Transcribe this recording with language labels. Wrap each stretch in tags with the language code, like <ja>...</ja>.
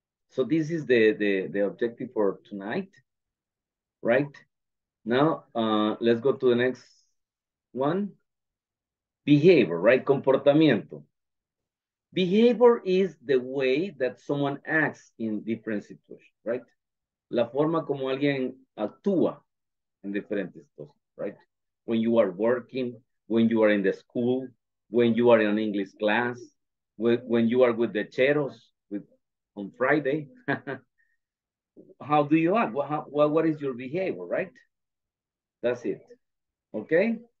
<en>So this is the objective for tonight, right? Now, let's go to the next one. Behavior, right?</en> <es>Comportamiento.</es> <en>Behavior is the way that someone acts in different situations, right?</en> <es>La forma como alguien actúa en diferentes cosas, right?</es> <en>When you are working, when you are in the school, when you are in an English class, when you are with the cheros on Friday. How do you act? What is your behavior, right? That's it. Okay.</en>